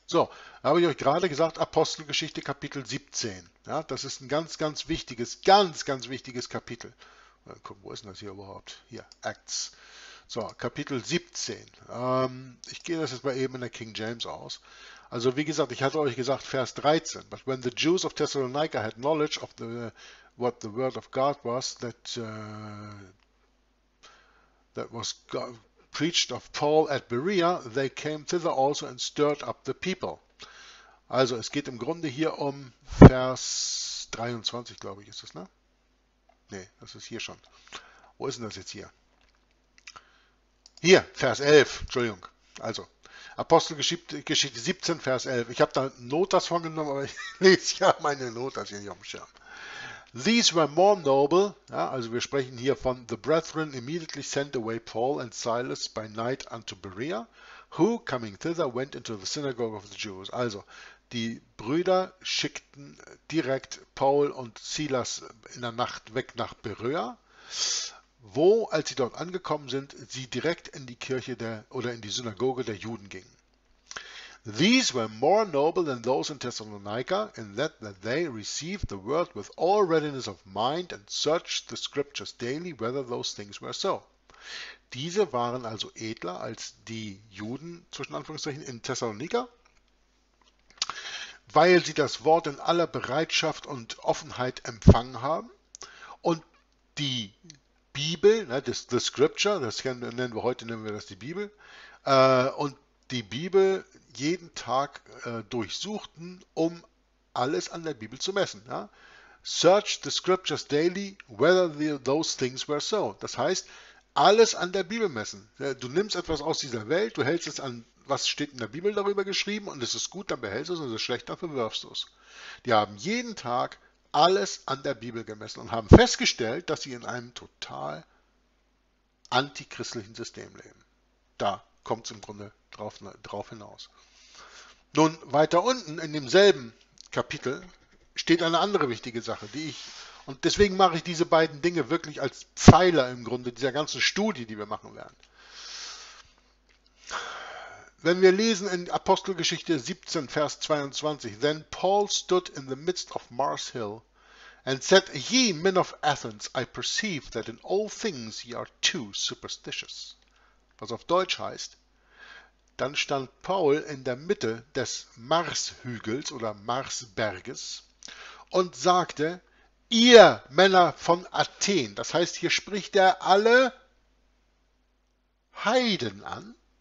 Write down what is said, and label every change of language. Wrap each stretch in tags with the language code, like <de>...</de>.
<de>So, habe ich euch gerade gesagt, Apostelgeschichte Kapitel 17. Ja, das ist ein ganz, ganz wichtiges, ganz, ganz wichtiges Kapitel. Mal gucken, wo ist denn das hier überhaupt? Hier, Acts. So, Kapitel 17. Ich gehe das jetzt mal eben in der King James aus. Also, wie gesagt, ich hatte euch gesagt, Vers 13.</de> <en>But when the Jews of Thessalonica had knowledge of what the word of God was, that was God, preached of Paul at Berea, they came thither also and stirred up the people.</en> <de>Also, es geht im Grunde hier um Vers 23, glaube ich, ist das, ne? Ne, das ist hier schon. Wo ist denn das jetzt hier? Hier, Vers 11, Entschuldigung. Also, Apostelgeschichte 17, Vers 11. Ich habe da Notas vorgenommen, aber ich lese ja meine Notas hier nicht auf dem Schirm.</de> <en>These were more noble,</en> <de>ja, also wir sprechen hier von</de> <en>the brethren immediately sent away Paul and Silas by night unto Berea, who coming thither went into the synagogue of the Jews.</en> <de>Also, die Brüder schickten direkt Paul und Silas in der Nacht weg nach Berea, wo, als sie dort angekommen sind, sie direkt in die Kirche der oder in die Synagoge der Juden gingen.</de> <en>These were more noble than those in Thessalonica, in that they received the word with all readiness of mind and searched the scriptures daily, whether those things were so.</en> <de>Diese waren also edler als die Juden, zwischen Anführungszeichen, in Thessalonica, weil sie das Wort in aller Bereitschaft und Offenheit empfangen haben und die Bibel, ne,</de> <en>the Scripture,</en> <de>das nennen wir heute, nennen wir das die Bibel, und die Bibel jeden Tag durchsuchten, um alles an der Bibel zu messen. Ja?</de> <en>Search the scriptures daily, whether those things were so.</en> <de>Das heißt, alles an der Bibel messen. Ja, du nimmst etwas aus dieser Welt, du hältst es an, was steht in der Bibel darüber geschrieben, und es ist gut, dann behältst du es, und es ist schlecht, dann verwirfst du es. Die haben jeden Tag alles an der Bibel gemessen und haben festgestellt, dass sie in einem total antichristlichen System leben. Da kommt es im Grunde drauf hinaus. Nun, weiter unten in demselben Kapitel steht eine andere wichtige Sache, die ich, und deswegen mache ich diese beiden Dinge wirklich als Pfeiler im Grunde dieser ganzen Studie, die wir machen werden. Wenn wir lesen in Apostelgeschichte 17, Vers 22,</de> <en>Then Paul stood in the midst of Mars Hill and said, Ye men of Athens, I perceive that in all things ye are too superstitious.</en> <de>Was auf Deutsch heißt, dann stand Paul in der Mitte des Marshügels oder Marsberges und sagte, ihr Männer von Athen, das heißt, hier spricht er alle Heiden an.</de>